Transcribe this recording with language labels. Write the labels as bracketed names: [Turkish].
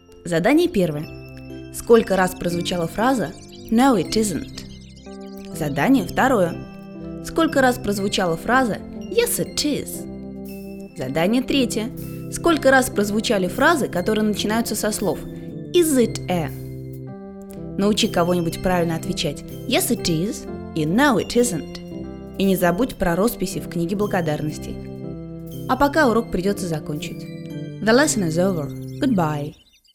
[Russian] Задание первое. Сколько раз прозвучала фраза [English] «No, it isn't». [Russian] Задание второе. Сколько раз прозвучала фраза [English] «Yes, it is». [Russian] Задание третье. Сколько раз прозвучали фразы, которые начинаются со слов [English] «Is it a?». [Russian] Научи кого-нибудь правильно отвечать [English] «Yes, it is» [Russian] и [English] «No, it isn't». [Russian] И не забудь про росписи в книге благодарностей. А пока урок придется закончить. [English] The lesson is over. Goodbye.